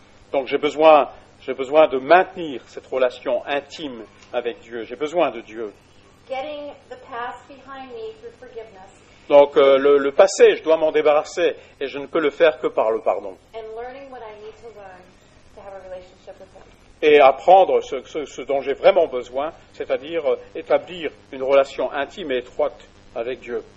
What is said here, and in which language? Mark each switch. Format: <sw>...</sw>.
<fr>Donc j'ai besoin de maintenir cette relation intime avec Dieu. J'ai besoin de Dieu.</fr> <en>Getting the past behind me through forgiveness.</en> <fr>Donc le passé, je dois m'en débarrasser et je ne peux le faire que par le pardon.</fr> <en>And learning what I need to learn to have a relationship with him.</en> <fr>Et apprendre ce dont j'ai vraiment besoin, c'est-à-dire établir une relation intime et étroite avec Dieu.</fr>